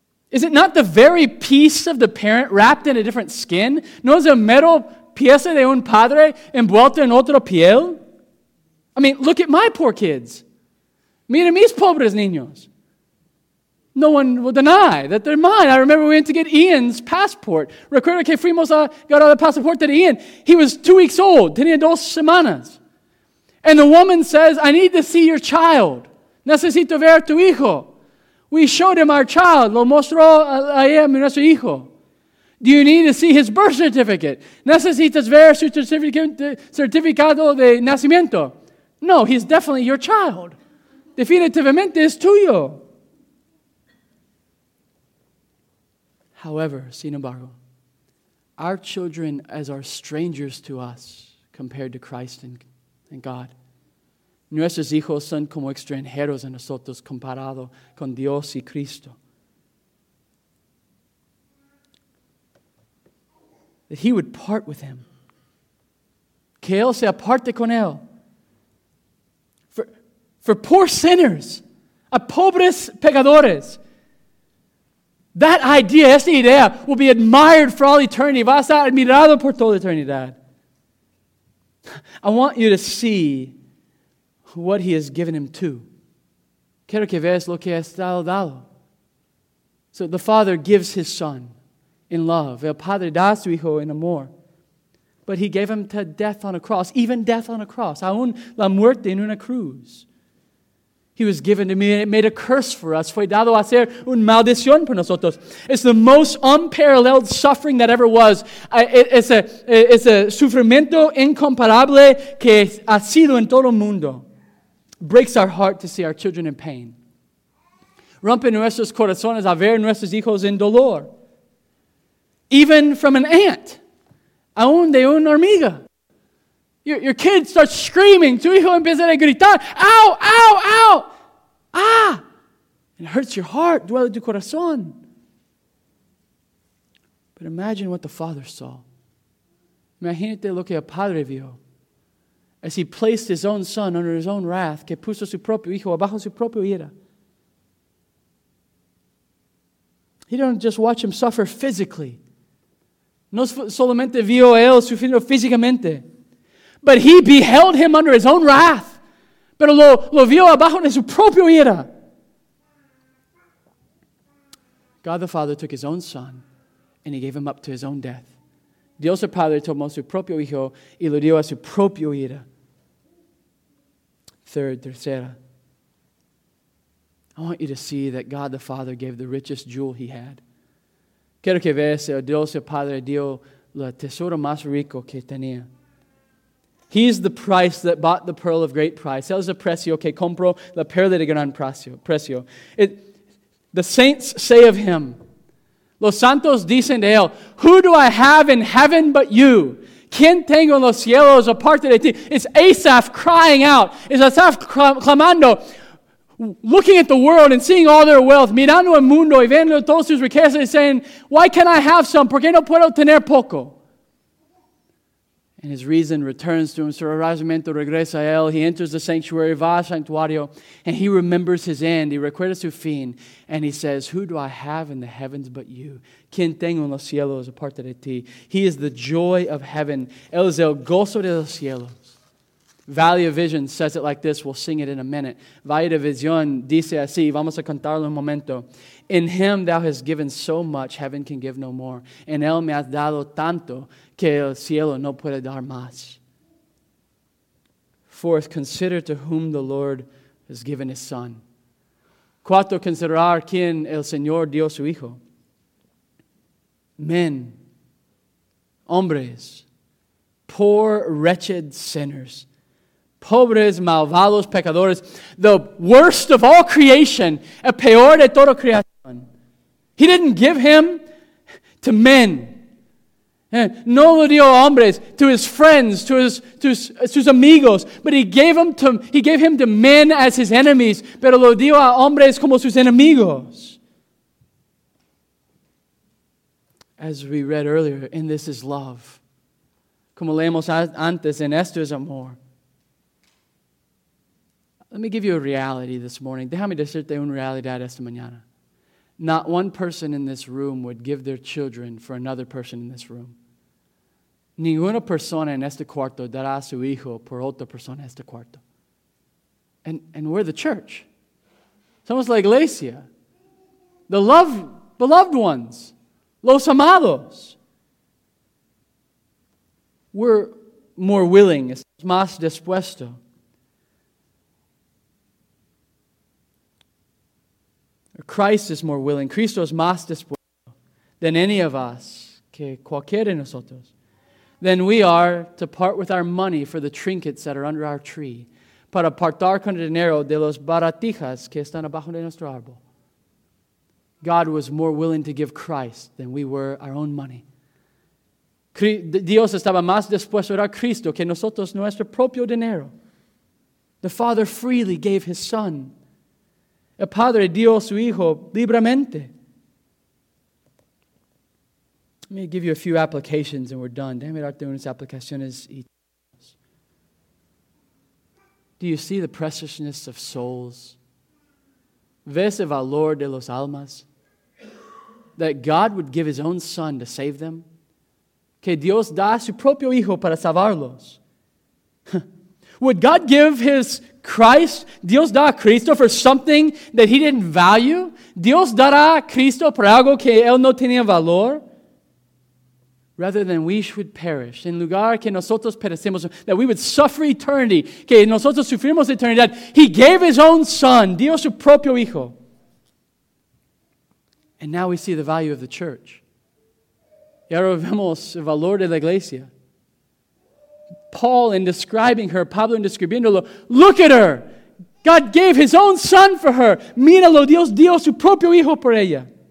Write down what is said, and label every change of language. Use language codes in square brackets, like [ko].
[en] Is it not the very piece of the parent wrapped in a different skin? [es] ¿No es el mero pieza de un padre envuelto en otra piel? [en] I mean, look at my poor kids. [es] Mira mis pobres niños. [en] No one will deny that they're mine. I remember we went to get Ian's passport. [es] Recuerdo que fuimos a agarrar el pasaporte de Ian. [en] He was 2 weeks old. [es] Tenía 2 semanas. [en] And the woman says, I need to see your child. [es] Necesito ver tu hijo. [en] We showed him our child. [es] Lo mostró a nuestro hijo. [en] Do you need to see his birth certificate? [es] Necesitas ver su certificado de nacimiento. [en] No, he's definitely your child. [es] Definitivamente es tuyo. [en] However, [es] sin embargo, [en] our children as are strangers to us compared to Christ and God. [es] Nuestros hijos son como extranjeros a nosotros comparado con Dios y Cristo. [en] That he would part with him. [es] Que él se aparte con él. [en] For poor sinners, [es] a pobres pecadores. [en] That idea, [es] esta idea, [en] will be admired for all eternity. [es] Va a ser admirado por toda eternidad. [en] I want you to see what he has given him to. [es] Quiero que veas lo que ha estado dado. [en] So the father gives his son in love. [es] El padre da su hijo en amor. [en] But he gave him to death on a cross. Even death on a cross. [es] Aún la muerte en una cruz. [en] He was given to me and it made a curse for us. [es] Fue dado a ser una maldición por nosotros. [en] It's the most unparalleled suffering that ever was. [es] Es a sufrimiento incomparable que ha sido en todo el mundo. [en] Breaks our heart to see our children in pain. [es] Rompe nuestros corazones a ver nuestros hijos en dolor. [en] Even from an aunt. [es] Aún de una hormiga. [en] Your kid starts screaming. [es] Tu hijo empieza a gritar. [en] Ow, ow, ow. Ah. It hurts your heart. [es] Duele tu corazón. [en] But imagine what the father saw. [es] Imagínate lo que el padre vio. [en] As he placed his own son under his own wrath. [es] Que puso su propio hijo bajo su propio ira. [en] He didn't just watch him suffer physically. [es] No solamente vio a él sufriendo físicamente. [en] But he beheld him under his own wrath. [es] Pero lo vio abajo de su propio ira. [en] God the Father took his own son and he gave him up to his own death. [es] Dios el Padre tomó su propio hijo y lo dio a su propio ira. [en] Third, [es] tercera. [en] I want you to see that God the Father gave the richest jewel he had. [es] Quiero que veas que Dios el Padre dio el tesoro más rico que tenía. [en] He's the price that bought the pearl of great price. [es] Él es el precio que compró la perla de gran precio. [en] The saints say of him, [es] los santos dicen de él, [en] who do I have in heaven but you? [es] ¿Quién tengo en los cielos aparte de ti? [en] It's Asaph crying out. It's Asaph [es] clamando, [en] looking at the world and seeing all their wealth, [es] mirando el mundo y viendo todos sus riquezas, [en] saying, why can't I have some? [es] ¿Por qué no puedo tener poco? [en] And his reason returns to him. [es] Su razonamiento regresa a él. [en] He enters the sanctuary, [es] va al santuario, [en] and he remembers his end. [es] He recuerda su fin. [en] And he says, who do I have in the heavens but you? [es] ¿Quién tengo en los cielos aparte de ti? [en] He is the joy of heaven. [es] Él es el gozo de los cielos. [en] Valley of Vision says it like this. We'll sing it in a minute. [es] Valle de Vision dice así. Vamos a cantarlo un momento. [en] In him thou hast given so much, heaven can give no more. [es] En él me has dado tanto que el cielo no puede dar más. [en] Fourth, consider to whom the Lord has given his son. [es] Cuatro, considerar quien el Señor dio su hijo. [en] Men, [es] hombres, [en] poor, wretched sinners. [es] Pobres, malvados, pecadores. [en] The worst of all creation. [es] El peor de toda creación. [en] He didn't give him to men. [es] No lo dio a hombres, [en] to his friends, to [es] sus amigos. [en] But he gave him to men as his enemies. [es] Pero lo dio a hombres como sus enemigos. [en] As we read earlier, in this is love. [es] Como leemos antes, en esto es amor. [en] Let me give you a reality this morning. [es] Déjame decirte una realidad esta mañana. [en] Not one person in this room would give their children for another person in this room. [es] Ninguna persona en este cuarto dará su hijo por otra persona en este cuarto. [en] And we're the church. [es] Somos la iglesia. [en] The beloved ones. Los amados. We're more willing. [es] Estamos más dispuestos. [en] Christ is more willing, [es] Cristo es más dispuesto [en] than any of us, [es] que cualquiera de nosotros, [en] than we are to part with our money for the trinkets that are under our tree, [es] para apartar con el dinero de los baratijas que están abajo de nuestro árbol. [en] God was more willing to give Christ than we were our own money. [es] Dios estaba más dispuesto a dar Cristo que nosotros nuestro propio dinero. [en] The Father freely gave his Son. [es] El Padre dio su Hijo libremente. [en] Let me give you a few applications and we're done. [es] Déjame darte unas aplicaciones. [en] Do you see the preciousness of souls? [es] ¿Ves el valor de los almas? [en] That God would give his own son to save them? [es] Que Dios da su propio Hijo para salvarlos? [en] Would God give his Christ, [es] Dios da a Cristo [en] for something that he didn't value? [es] Dios dará a Cristo por algo que él no tenía valor? [en] Rather than we should perish, [es] en lugar que nosotros perecemos, [en] that we would suffer eternity, [es] que nosotros sufrimos eternidad, [en] he gave his own son, [es] dio su propio hijo. [en] And now we see the value of the church. [es] Y ahora vemos el valor de la iglesia. [en] Paul, in describing her, [es] Pablo, in describiéndolo, [en] look at her. God gave his own son for her. [es] Míralo, Dios dio su propio hijo por ella.